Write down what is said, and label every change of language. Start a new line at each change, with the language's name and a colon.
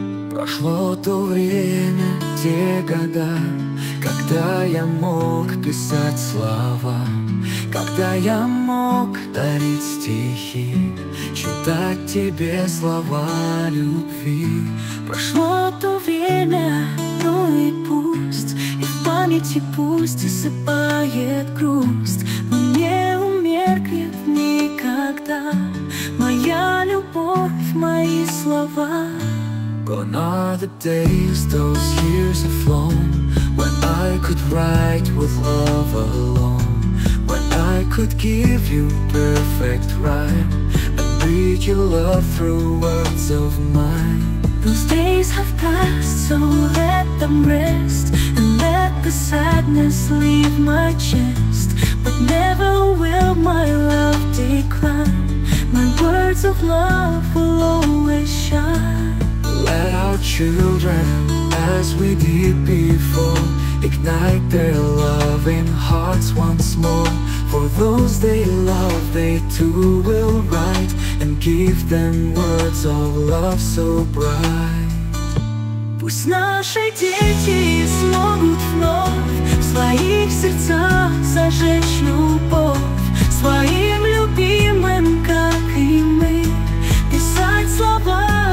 Russian: Прошло то время, те года, когда я мог писать слова, когда я мог дарить стихи, читать тебе слова любви. Прошло то время, ну и пусть, и в памяти пусть засыпает грусть, но не умеркнет никогда моя любовь, мои слова.
English: Gone are the days, those years have flown, when I could write with love alone, when I could give you perfect rhyme and read your love through words of mine. Those days have passed, so let them rest and let the sadness leave my chest. But never will my love decline, my words of love will always shine. Let our children, as we did before, ignite their loving hearts once more. For those they love, they too will write and give them words of love so bright.
Russian: Пусть наши дети смогут вновь в своих сердцах зажечь любовь своим любимым, как и мы, писать слова.